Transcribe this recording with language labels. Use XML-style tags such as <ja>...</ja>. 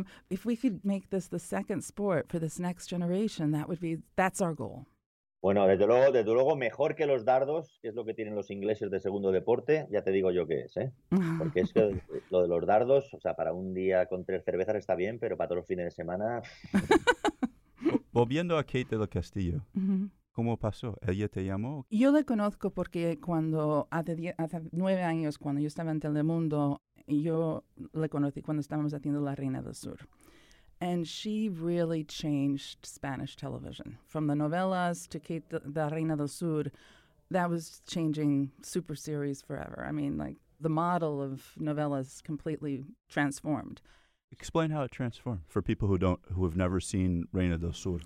<en>If we could make this the second sport for this next generation, that would be, that's our goal.</en> <es>Bueno, desde luego, mejor que los dardos, que es lo que tienen los ingleses de segundo deporte, ya te digo yo qué es, ¿eh? Porque es que lo de los dardos, o sea, para un día con tres cervezas está bien, pero para todos los fines de semana... Volviendo a Kate del Castillo, ¿cómo pasó? ¿Ella te llamó? Yo la conozco porque cuando hace 9 años, cuando yo estaba en Telemundo, yo la conocí cuando estábamos haciendo La Reina del Sur.</es> <en>And she really changed Spanish television. From the novelas to Kate, the Reina del Sur, that was changing super series forever. I mean, like, the model of novelas completely transformed. Explain how it transformed for people who have never seen Reina del Sur.</en>